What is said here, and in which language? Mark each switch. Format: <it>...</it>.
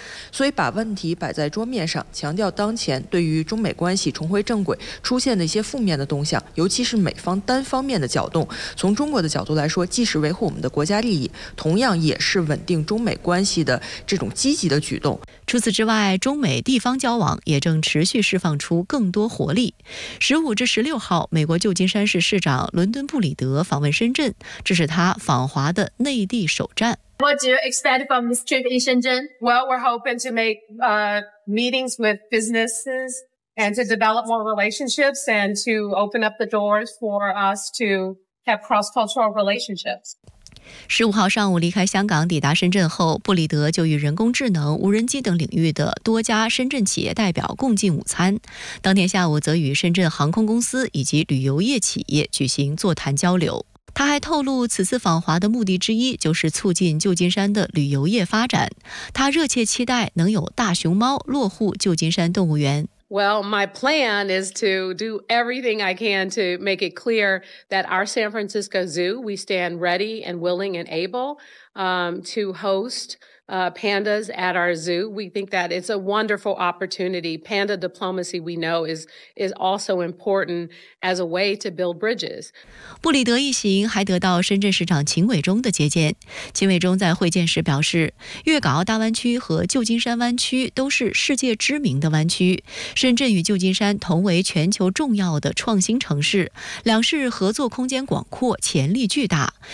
<zh>所以把问题摆在桌面上，强调当前对于中美关系重回正轨出现的一些负面的动向，尤其是美方单方面的搅动，从中国的角度来说，既是维护我们的国家利益，同样也是稳定中美关系的这种积极的举动。除此之外，中美地方交往也正持续释放出更多活力。 15至16号，美国旧金山市市长伦敦布里德访问深圳，这是他访华的内地首站。</zh> <en>What do you expect from this trip in Shenzhen? Well, we're hoping to make meetings with businesses and to develop more relationships and to open up the doors for us to have cross-cultural relationships.</en> <zh>15号上午离开香港抵达深圳后，布里德就与人工智能、无人机等领域的多家深圳企业代表共进午餐。当天下午则与深圳航空公司以及旅游业企业举行座谈交流。他还透露，此次访华的目的之一就是促进旧金山的旅游业发展。他热切期待能有大熊猫落户旧金山动物园。</zh> <en>Well, my plan is to do everything I can to make it clear that our San Francisco Zoo, we stand ready and willing and able, to host, pandas at our zoo. We think that it's a wonderful opportunity. Panda diplomacy, we know, is also important as a way to build bridges.</en> <zh>布里德一行还得到深圳市长秦伟忠的接见。秦伟忠在会见时表示，粤港澳大湾区和旧金山湾区都是世界知名的湾区。深圳与旧金山同为全球重要的创新城市，两市合作空间广阔，潜力巨大。</zh>